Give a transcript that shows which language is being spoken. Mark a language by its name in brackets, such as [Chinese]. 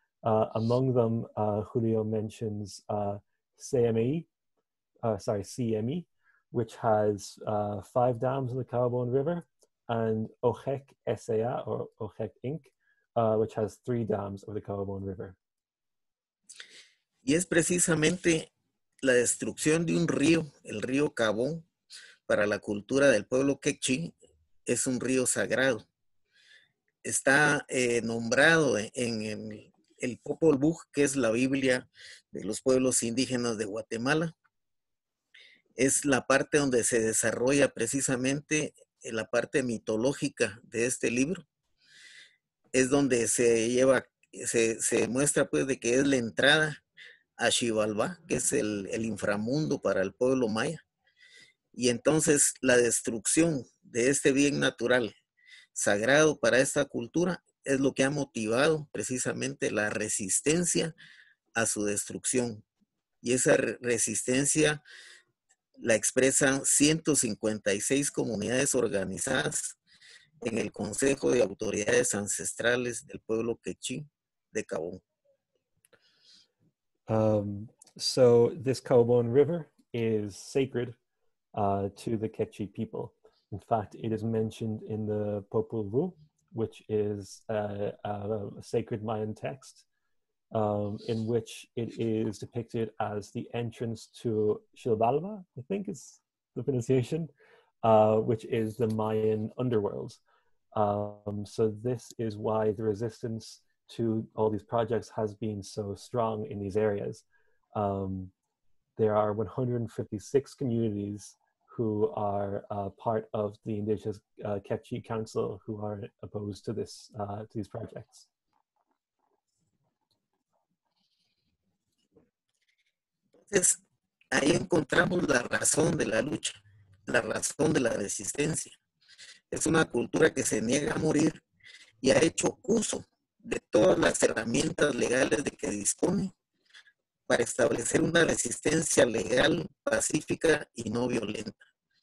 [English] Among them, Julio mentions CME, which has 5 dams in the Cabón River, and OHEC S.A. or OHEC Inc., which has 3 dams over the Cabón River. [Spanish] Y es precisamente la destrucción de un río, el río Cabón, para la cultura del pueblo Quechí, es un río sagrado. Está nombrado en el Popol Vuh, que es la Biblia de los pueblos indígenas de Guatemala. Es la parte donde se desarrolla precisamente la parte mitológica de este libro. Es donde se lleva se muestra pues de que es la entrada a Xibalbá, que es el inframundo para el pueblo maya. Y entonces la destrucción de este bien natural sagrado para esta cultura es lo que ha motivado precisamente la resistencia a su destrucción. Y esa resistencia la expresan 156 comunidades organizadas en el Consejo de Autoridades Ancestrales del Pueblo Quechí de Cabón. [English] So this Cabón River is sacred to the Quechí people. In fact, it is mentioned in the Popol Vuh, which is a sacred Mayan text, in which it is depicted as the entrance to Xibalbá, I think is the pronunciation, which is the Mayan underworld. So this is why the resistance to all these projects has been so strong in these areas. There are 156 communities who are part of the indigenous Quechí Council who are opposed to this to these projects. [Spanish] Entonces, ahí encontramos la razón de la lucha, la razón de la resistencia. Es una cultura que se niega a morir y ha hecho uso de todas las herramientas legales de que dispone para establecer una resistencia legal, pacífica y no violenta.